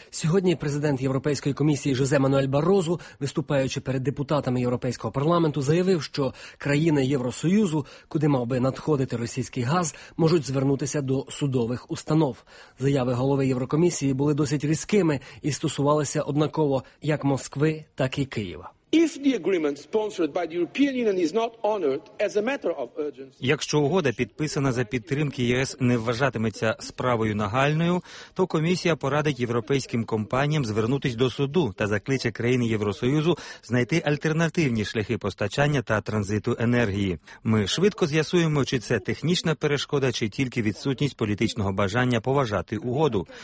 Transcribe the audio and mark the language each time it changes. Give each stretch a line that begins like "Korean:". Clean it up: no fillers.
Ukrainian: Сьогодні президент Європейської комісії Жозе Мануель Барозу, виступаючи перед депутатами Європейського парламенту, заявив, що країни Євросоюзу, куди мав би надходити російський газ, можуть звернутися до судових установ. Заяви голови Єврокомісії були досить різкими і стосувалися однаково як Москви, так і Києва.
English: If the agreement sponsored by the European Union is not honored as a matter of urgency.
Ukrainian: Якщо угода, підписана за підтримки ЄС, не вважатиметься справою нагальною, то комісія порадить європейським компаніям звернутись до суду та закличе країни Євросоюзу знайти альтернативні шляхи постачання та транзиту енергії. Ми швидко з'ясуємо, чи це технічна перешкода, чи тільки відсутність політичного бажання поважати угоду.